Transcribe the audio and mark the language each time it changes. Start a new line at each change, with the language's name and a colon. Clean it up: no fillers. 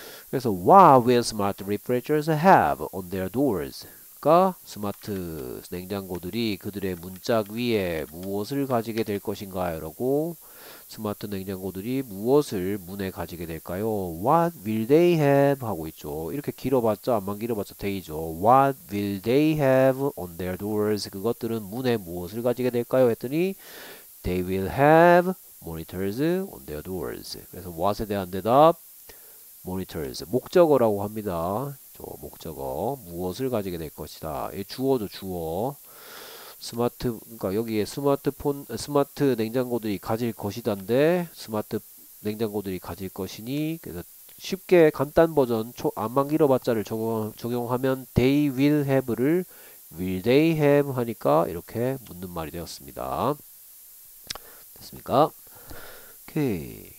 Korean: 그래서
English: What will smart refrigerators have on their doors?
Korean: 스마트 냉장고들이 그들의 문짝 위에 무엇을 가지게 될 것인가? 라고 스마트 냉장고들이 무엇을 문에 가지게 될까요?
English: What will they have?
Korean: 하고 있죠. 이렇게 길어봤자, 암만 길어봤자 되죠.
English: What will they have on their doors?
Korean: 그것들은 문에 무엇을 가지게 될까요? 했더니
English: They will have monitors on their doors.
Korean: 그래서 what에 대한 대답, monitors, 목적어라고 합니다. 목적어 무엇을 가지게 될 것이다. 이 주어죠, 주어. 스마트, 그러니까 여기에 스마트폰, 스마트 냉장고들이 가질 것이다인데 스마트 냉장고들이 가질 것이니 그래서 쉽게 간단 버전 암만 길어봤자를 적용하면
English: they will have
Korean: 를
English: will they have
Korean: 하니까 이렇게 묻는 말이 되었습니다. 됐습니까? 오케이.